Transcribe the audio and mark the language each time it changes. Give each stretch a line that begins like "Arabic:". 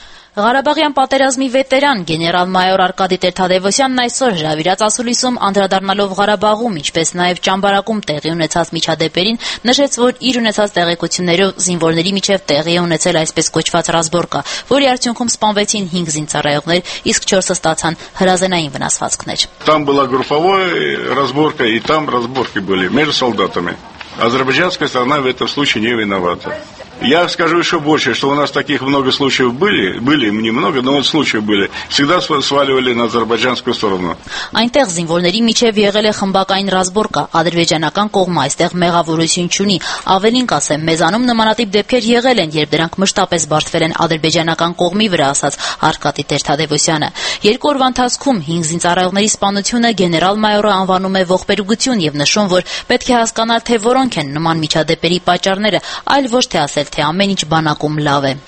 Armenian: Ղարաբաղյան պատերազմի վետերան գեներալ-մայոր Արկադի Տեր-Թադևոսյանն այսօր հրավիրած ասուլիսում, անդրադառնալով Ղարաբաղում, ինչպես նաև Ճամբարակում տեղի ունեցած միջադեպերին, նշեց, որ իր ունեցած տեղեկություններով զինվորների միջև տեղի ունեցել այսպես կոչված ռազմբորկա, որի արդյունքում սպանվեցին 5 զինծառայողներ, իսկ 4-ը ստացան հրազենային վնասվածքներ։
Russian: Там была групповая разборка и там разборки были между солдатами. Азербайджанская сторона в этом случае не виновата. Я скажу еще больше, что у нас таких много случаев были немного, но вот случаи были. Всегда сваливали на азербайджанскую сторону.
Armenian: Այնտեղ զինվորների միջև եղել է խմբակային ռազմբորկա, ադրբեջանական կողմը այստեղ մեղավորություն չունի, ավելին կասեմ, մեզանում նմանատիպ դեպքեր եղել են, երբ դրանք մշտապես բարձվել են ադրբեջանական կողմի վրա, ասաց Արկադի Տեր-Թադևոսյանը։ Երկու օրվա ընթացքում 5 զինծառայողների սպանությունը գեներալ-մայորը անվանում է ողբերգություն եւ նշում, որ պետք է հասկանալ, թե որոնք են նման միջադեպերի պատճառները, այլ ոչ թե ասել, թե ամեն ինչ բանակում լավ է։